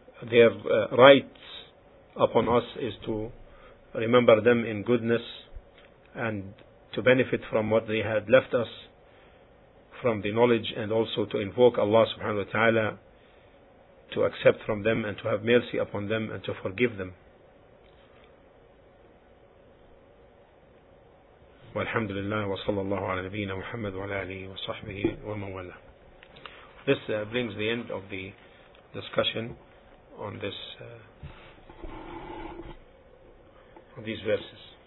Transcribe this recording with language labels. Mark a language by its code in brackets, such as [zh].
[en] their rights upon us is to remember them in goodness and to benefit from what they had left us from the knowledge, and also to invoke Allah subhanahu wa ta'ala to accept from them and to have mercy upon them and to forgive them. [ar] والحمد لله وصلى الله على نبينا محمد وعلى آله وصحبه ومن والاه. [en] This brings the end of the discussion on these verses.